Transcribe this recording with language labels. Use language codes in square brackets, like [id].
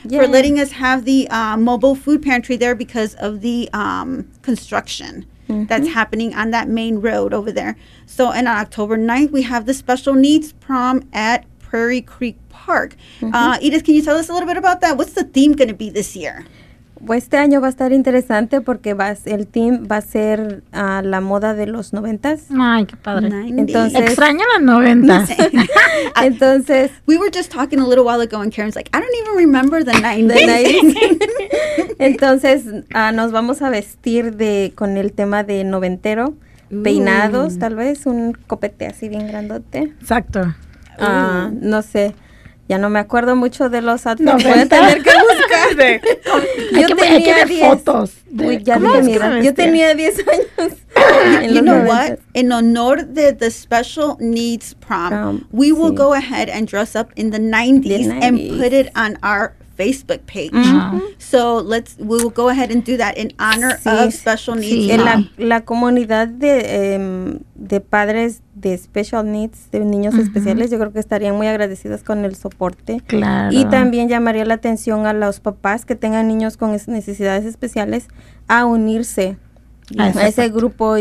[en] For letting us have the mobile food pantry there because of the construction mm-hmm. that's happening on that main road over there. So, and on October 9th, we have the special needs prom at Prairie Creek Park. Mm-hmm. Edith, can you tell us a little bit about that? What's the theme going to be this year? [es] Pues este año va a estar interesante porque el theme va a ser la moda de los 90s. Ay, qué padre. Entonces, extraño los 90s. Entonces, [en] we were just talking a little while ago and Karen's like, I don't even remember the 90s. [es] Entonces, nos vamos a vestir con el tema de noventero, peinados, tal vez, un copete así bien grandote. Exacto. No sé, ya no me acuerdo mucho de los outfits. No, voy a tener que buscar. Yo tenía 10 fotos. Yo tenía 10 años. [en] You know what? In honor de the special needs prom, we will go ahead and dress up in the 90s and put it on our Facebook page. Mm-hmm. So we'll go ahead and do that in honor of special needs. [es] Sí. La comunidad de padres de special needs, de niños uh-huh. especiales, yo creo que estarían muy agradecidas con el soporte. Claro. Y también llamaría la atención a los papás que tengan niños con necesidades especiales a unirse a ese grupo.